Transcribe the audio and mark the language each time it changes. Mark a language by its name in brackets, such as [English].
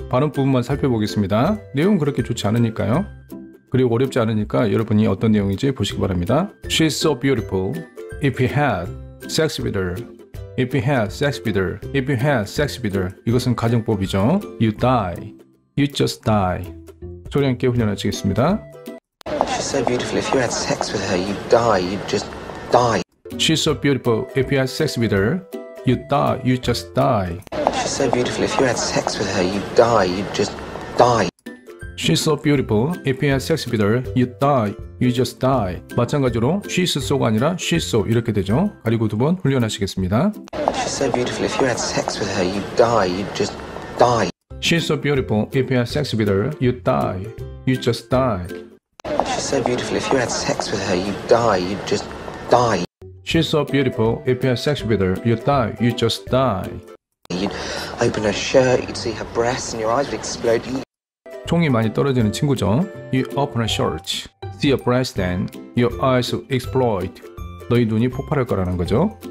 [Korean] 발음 부분만 살펴보겠습니다. 내용은 그렇게 좋지 않으니까요. 그리고 어렵지 않으니까 여러분이 어떤 내용인지 보시기 바랍니다. [English] She's so beautiful. If you had sex with her. If you had sex with her. If you had sex with her. [Korean] 이것은 가정법이죠. [English] You die. You just die. [Korean] 소리 함께 훈련하시겠습니다. [English] She's so beautiful. If you had sex with her, you'd die. You'd just die. She's so beautiful. If you had sex with her, you die. You just die. She's so beautiful. If you had sex with her, you'd die. You'd just die. She's so beautiful. If you had sex with her, you'd die. You just die. [Korean] 마찬가지로 [English] she's so가 아니라 she's so [Korean] 이렇게 되죠. 가리고 두 번 훈련하시겠습니다. [English] She's so beautiful. If you had sex with her, you'd die. You'd just die. She's so beautiful. If you had sex with her, you'd die. You just die. She's so beautiful. If you had sex with her, you'd die. You'd just die. She's so beautiful. If you had sex with her, you'd die. You just die. You'd open her shirt, you'd see her breasts, and your eyes would explode. [Korean] 총이 많이 떨어지는 친구죠. [English] You open a shirt, see a breast, then your eyes explode. [Korean] 너희 눈이 폭발할 거라는 거죠.